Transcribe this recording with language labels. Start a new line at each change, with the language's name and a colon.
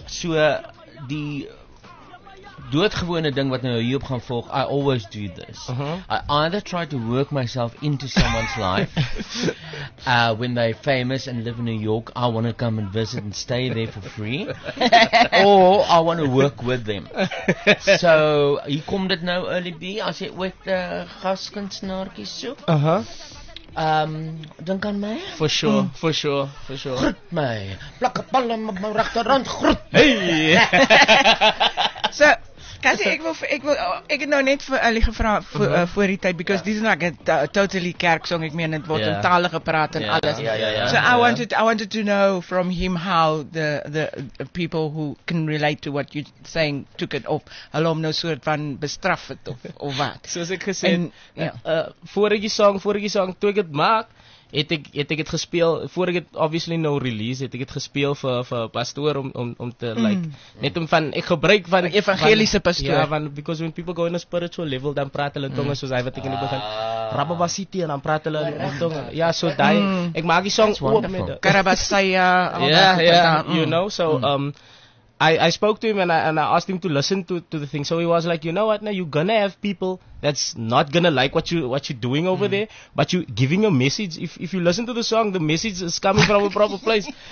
Afrikaans: So, die doodgewone ding wat nou hierop gaan volg,
English: I always do this. Uh-huh. I either try to work myself into someone's life, when they're famous and live in New York, I want to come and visit and stay there for free, or I want to work with them.
Afrikaans: So, hier kom dit nou, Early B, as jy ooit gaskunstenaartjie soek, dink aan my.
English: For sure.
Afrikaans: Groet my. Plak 'n bal in my regterhand, groet my. Hey. So, Kasi ek het nou net vir hulle gevra voor die tyd,
English: because this is like a totally
Afrikaans: kerksong, ek meen het word in tale gepraat en alles.
English: So I wanted to know from him how the people who can relate to what you're saying took it off.
Afrikaans: Hulle om nou soort van bestraf het of wat. Soos ek gesê, voor ek die song, toe ek het maak, Het ek het gespeel, voor ek het obviously nou release, het ek het gespeel vir pastoor om te like, net om van, ek gebruik van evangeliese pastoor. Ja, want,
English: because when people go in a spiritual level,
Afrikaans: dan praat hulle tonge soos hy wat ek in die begin, Rababasiti, en dan praat hulle tonge. Ja, so die, ek maak die song oop met die. Karabasaya.
English: I spoke to him and I asked him to listen to the thing. So he was like, you know what, now you're gonna have people that's not gonna like what you're doing over there, but you're giving a message. If you listen to the song, the message is coming from a proper place.